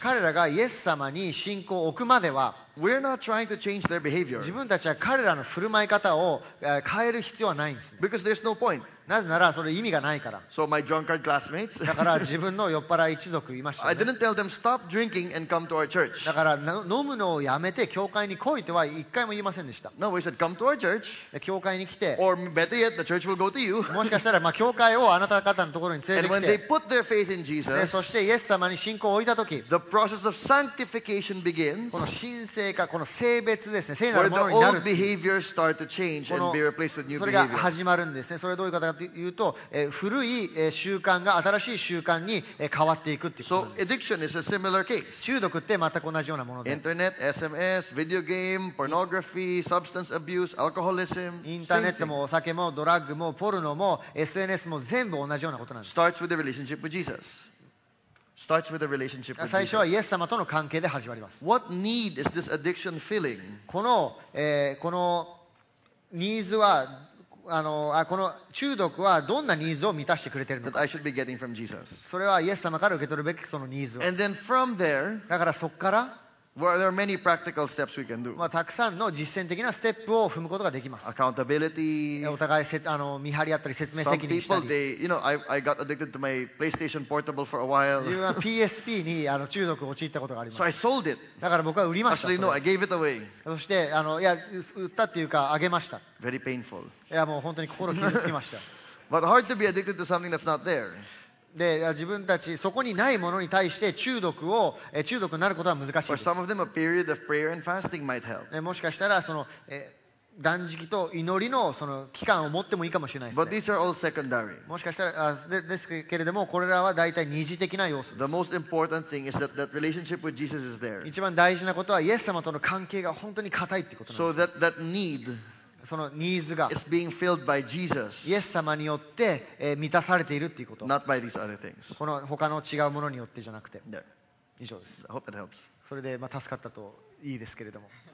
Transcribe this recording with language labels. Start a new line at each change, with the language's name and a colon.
Japanese: 彼らがイエス様に信仰を置くまでは、
English: we're not trying to change their behavior.
Japanese: 自分たちは彼らの振る舞い方を変える必要はないんですね。
English: Because there's no point.
Japanese: なぜならそれ意味がないから。
English: So my drunkard classmates,
Japanese: だから自分の酔っ払い一族いましたね。
English: I didn't tell them stop drinking and come to our church.
Japanese: だから飲むのをやめて教会に来いとは一回も言いませんでした。
English: No, we said come to our church.
Japanese: 教会に来て。
English: Or better yet, the church will go to you.
Japanese: もしかしたらまあ教会をあなた方のところに連れてきて。
English: And when they put their faith in Jesus,
Japanese: そしてイエス様に信仰を置いたとき、
English: the process of sanctification begins.
Japanese: この神聖性かこの性別ですね、聖なるものになる。
English: When the old behaviors start to change and be replaced with new behaviors.
Japanese: それが始まるんですね。それはどういうことかというと、古い習慣が新しい習慣に変わっていくっていうことです。
English: So addiction is a similar case.
Japanese: 中毒って全く同じようなものです。
English: Internet, SMS, video game, pornography, substance abuse, alcoholism.
Japanese: インターネットもお酒もドラッグもポルノも SNS も全部同じようなことなんです。
English: Starts with the relationship with Jesus. Starts with a relationship with
Japanese: 最初はイエス様との関係で始まります。
English: What need is this addiction filling?
Japanese: この、このニーズはこの中毒はどんなニーズを満たしてくれているのか。
English: That I should be getting from Jesus.
Japanese: それはイエス様から受け取るべきそのニーズは。
English: And then from there,
Japanese: だからそこから、
English: well, there are many practical steps we can do.
Japanese: まあ、たくさんの実践的なステップを踏むことができます。
English: Accountability,
Japanese: お互いせ見張り合ったり説明責任したり。
English: Some people, they, you know, I got addicted to my PlayStation Portable for a while.
Japanese: PSP に中毒を陥ったことがあります。
English: So I sold it.
Japanese: だから僕は売りました。
English: Actually, no, I gave it away.
Japanese: そして売ったっていうかあげました。
English: Very painful.
Japanese: いやもう本当に心傷つきました。
English: But hard to be addicted to something that's not there.
Japanese: で自分たちそこにないものに対して中毒を中毒になることは難しいです。
English: Or some of them a might help.
Japanese: もしかしたらその断食と祈り の, その期間を持ってもいいかもしれないです、ね。
English: But these are all secondary.
Japanese: もしかしたら ですけれども、これらは大体二次的な要素です。
English: The most important thing is that that relationship with Jesus is there.
Japanese: 一番大事なことはイエス様との関係が本当に固いってことなんです。
English: So that need.
Japanese: そのニーズが
English: It's being filled by Jesus,
Japanese: イエス様によって、満たされているっていうこと
English: not by these other things.
Japanese: この他の違うものによってじゃなくて、
English: yeah.
Japanese: 以上です。
English: I hope that helps.
Japanese: それで、まあ、助かったといいですけれども